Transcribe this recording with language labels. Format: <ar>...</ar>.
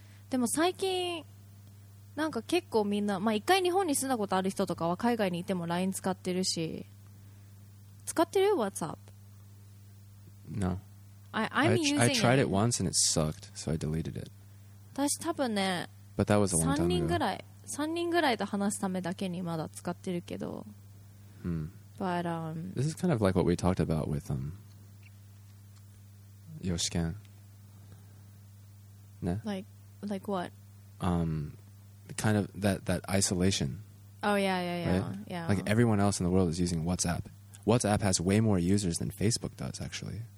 <ja>でも最近、なんか結構みんな、まあ一回日本に住んだことある人とかは海外にいても LINE 使ってるし、使ってる WhatsApp?</ja> <en>No. I tried it once and it sucked, so I deleted it.</en> <ja>私多分ね、</ja> <en>But that was a long time ago.</en> <ja>3人ぐらいと話すためだけにまだ使ってるけど。</ja> <en>But, This is kind of like what we talked about with, Yoshiken. Ne? Like what? Kind of that isolation. Oh yeah, yeah, yeah, right? Yeah. Like everyone else in the world is using WhatsApp. WhatsApp has way more users than Facebook does, actually.</en>